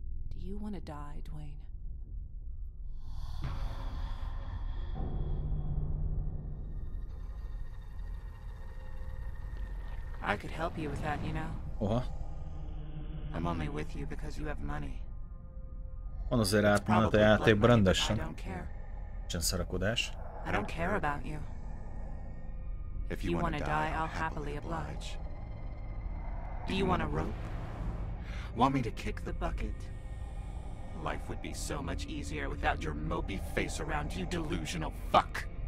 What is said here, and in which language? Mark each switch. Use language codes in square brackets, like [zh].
[en] Do you want to die, Dwayne? I could help you with that, you know? Uh-huh. I'm only with you because you have money. [hu] Van azért átmenet a játékban, rendesen. Nincsen szarakodás. [en] I don't care about you. If you want to die, I'll happily oblige. Do you want a rope? Want me to kick the bucket? Life would be so much easier without your mopey face around, you delusional fuck.